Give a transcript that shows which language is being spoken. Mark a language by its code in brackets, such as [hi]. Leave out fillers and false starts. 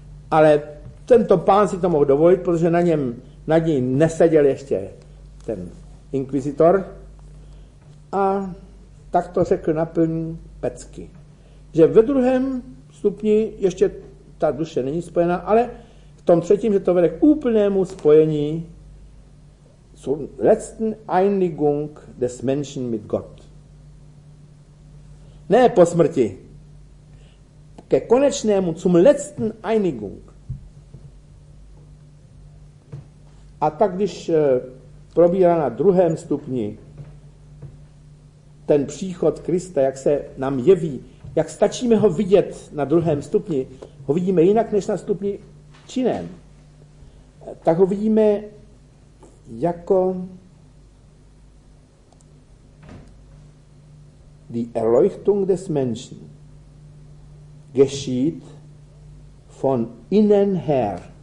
[cs] Ale tento pán si to mohl dovolit, protože nad ní neseděl ještě ten inkvizitor a tak to řekl naplní pecky. Že ve druhém stupni ještě ta duše není spojená, ale v tom třetím, že to vede k úplnému spojení [de] zur letzten Einigung des Menschen mit Gott. [cs] Ne po smrti. Ke konečnému, [de] zum letzten Einigung. [cs] A tak, když probírá na druhém stupni ten příchod Krista, jak se nám jeví, jak stačíme ho vidět na druhém stupni, ho vidíme jinak než na stupni činem, tak ho vidíme jako [de] die Erleuchtung des Menschen geschieht von innen her.